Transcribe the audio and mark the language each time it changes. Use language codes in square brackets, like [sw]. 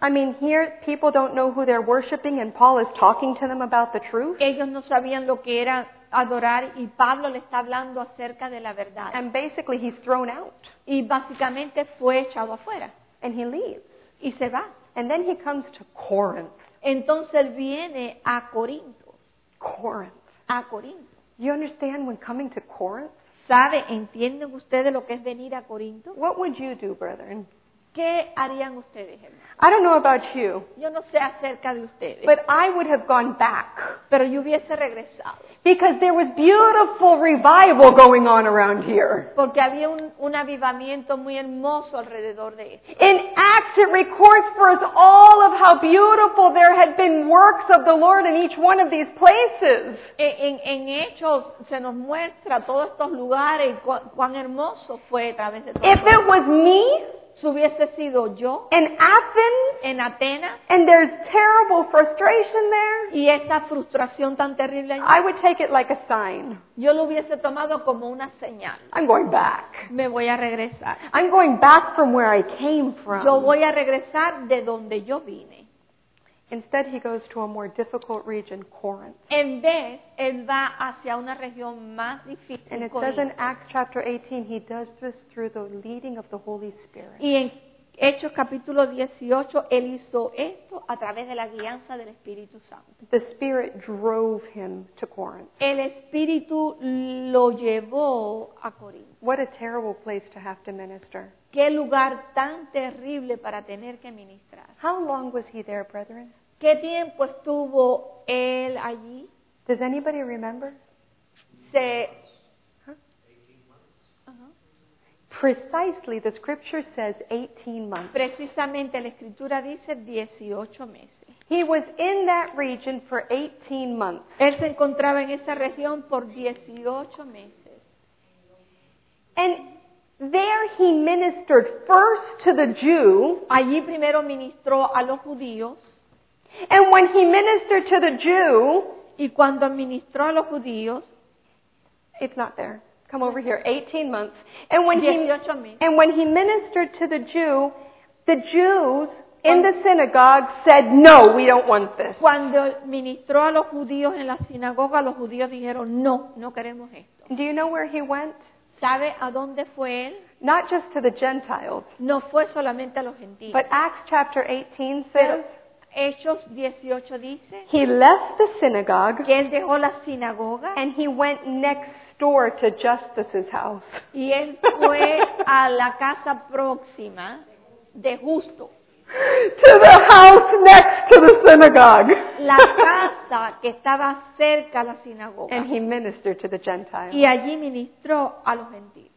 [en] I mean, here people don't know who they're worshiping and Paul is talking to them about the truth. [es] Ellos no sabían lo que era adorar y Pablo le está hablando acerca de la verdad. [en] And basically he's thrown out. [es] Y básicamente fue echado afuera. [en] And he leaves. [es] Y se va. [en] And then he comes to Corinth. [es] Entonces viene a Corinto. [en] Corinth. [es] A Corinto. [en] You understand when coming to Corinth? [es] ¿Sabe, entienden ustedes lo que es venir a Corinto? [en] What would you do, brethren? [es] ¿Qué harían ustedes? [en] I don't know about you. [es] Yo no sé acerca de ustedes. [en] But I would have gone back. [es] Pero yo hubiese regresado. [en] Because there was beautiful revival going on around here. [es] Porque había un avivamiento muy hermoso alrededor de esto. [en] In Acts it records for us all of how beautiful there had been works of the Lord in each one of these places. [es] En Hechos se nos muestra todos estos lugares y cuán hermoso fue a través de todo. [en] If it was me, [es] si hubiese sido yo, [en] in Athens, [es] en Atenas, [en] and there's terrible frustration there, [es] y esa frustración tan terrible allí, [en] I would take it like a sign. [es] Yo lo hubiese tomado como una señal. [en] I'm going back. [es] Me voy a regresar. [en] I'm going back from where I came from. [es] Yo voy a regresar de donde yo vine. [en] Instead, he goes to a more difficult region, Corinth. [es] En vez, él va hacia una región más difícil. [en] And it says in Acts chapter 18, he does this through the leading of the Holy Spirit. [es] Y en Hechos capítulo 18, él hizo esto a través de la guianza del Espíritu Santo. [en] The Spirit drove him to Corinth. [es] El Espíritu lo llevó a Corinto. [en] What a terrible place to have to minister. [es] Qué lugar tan terrible para tener que ministrar. [en] How long was he there, brethren? [es] ¿Qué tiempo estuvo él allí? [en] Does anybody remember? [es] Se [en] 18 months. Uh-huh. Precisely, the scripture says 18 months. [es] Precisamente la escritura dice 18 meses. [en] He was in that region for 18 months. [es] Él se encontraba en esa región por 18 meses. [en] And there he ministered first to the Jew. [es] Allí primero ministró a los judíos. [en] And when he ministered to the Jew, [es] y cuando ministró a los judíos, [en] it's not there. Come over here. 18 months. And when he ministered to the Jews in the synagogue said, "No, we don't want this." [es] Cuando ministró a los judíos en la sinagoga, los judíos dijeron, "No, no queremos esto." [en] Do you know where he went? [es] ¿Sabe a dónde fue él? [en] Not just to the Gentiles. [es] No fue solamente a los gentiles. [en] But Acts chapter 18 says, [es] Hechos 18 dice, [en] he left the synagogue, [es] que él dejó la sinagoga, [en] and he went next door to Justice's house. [es] Y él fue a la casa próxima de Justo. [en] To the house next to the synagogue. [es] La casa que estaba cerca a la sinagoga. [en] And he ministered to the Gentiles. [es] Y allí ministró a los gentiles.